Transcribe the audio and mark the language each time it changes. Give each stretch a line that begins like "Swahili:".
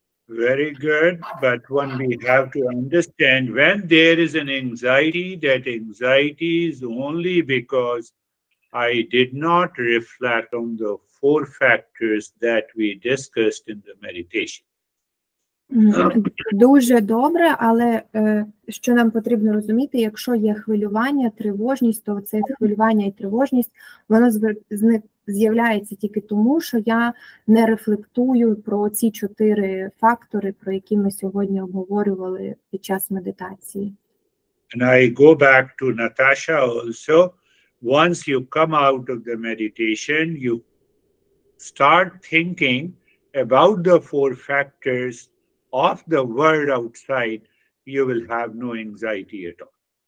English: Very good, but when we have to understand, when there is an anxiety, that anxiety is only because I did not reflect on the four factors that we discussed in the meditation.
Ukrainian: Дуже добре, але що нам потрібно розуміти, якщо є хвилювання, тривожність, то це хвилювання і тривожність, воно з'являється тільки тому, що я не рефлектую про ці чотири фактори, про які ми сьогодні обговорювали під час медитації.
English: And I go back to Natasha also. Once you come out of the meditation, you start thinking about the four factors of the world outside, you will have no anxiety at all.